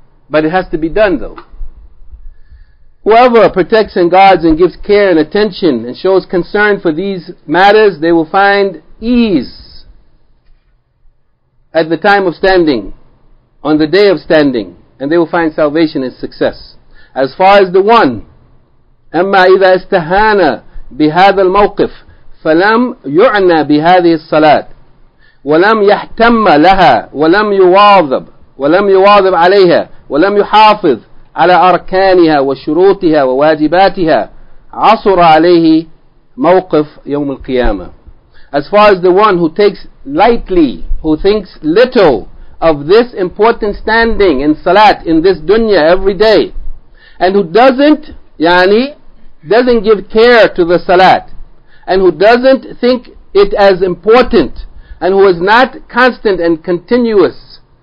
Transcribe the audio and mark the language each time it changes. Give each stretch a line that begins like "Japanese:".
English: But it has to be done though. Whoever protects and guards and gives care and attention and shows concern for these matters, they will find ease at the time of standing, on the day of standing. And they will find salvation and success. As far as the one,
Arabic: أما إذا استهان بهذا الموقف فلم يعنى بهذه الصلاة ولم يحتم لها ولم يواظب ولم يواظب عليها ولم يحافظ على أركانها وشروطها وواجباتها عصر عليه موقف يوم القيامة.
English: As far as the one who takes lightly, who thinks little of this important standing in salat in this dunya every day, and who doesn't, yani, doesn't give care to the salat, and who doesn't think it as important, and who is not constant and continuous